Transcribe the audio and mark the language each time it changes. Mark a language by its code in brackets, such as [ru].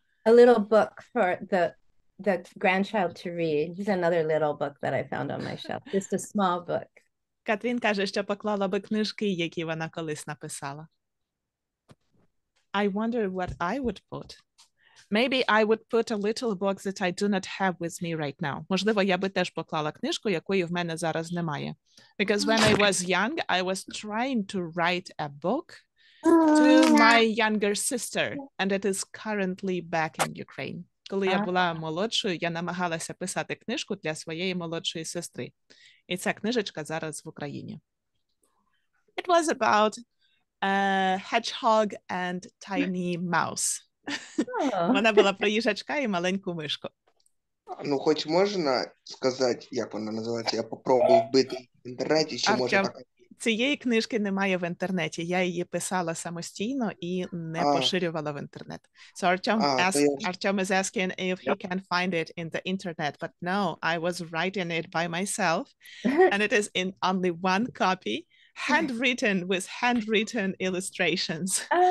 [en] a little book for the grandchild to read. Just another little book that I found on my shelf. Just a small book. [uk] Катрін каже, що поклала би книжки, які вона колись написала. [en] I wonder what I would put. Maybe I would put a little book that I do not have with me right now. [uk] Можливо, я би теж поклала книжку, якої в мене зараз немає. [en] Because when I was young, I was trying to write a book to my younger sister, and it is currently back in Ukraine. [uk] Коли я була молодшою, я намагалася писати книжку для своєї молодшої сестри. І ця книжечка зараз в Україні. [en] It was about a hedgehog and tiny mouse. [uk] Вона була про їжачка і маленьку мишку. Ну, хоч можна сказати, як вона називається? Я попробую вбити в інтернеті, чи може так? Цієї книжки немає в інтернеті. Я її писала самостійно і не поширювала в інтернет. [en] So Artem is asking if he can find it in the internet. But no, I was writing it by myself. And it is in only one copy, handwritten with handwritten illustrations.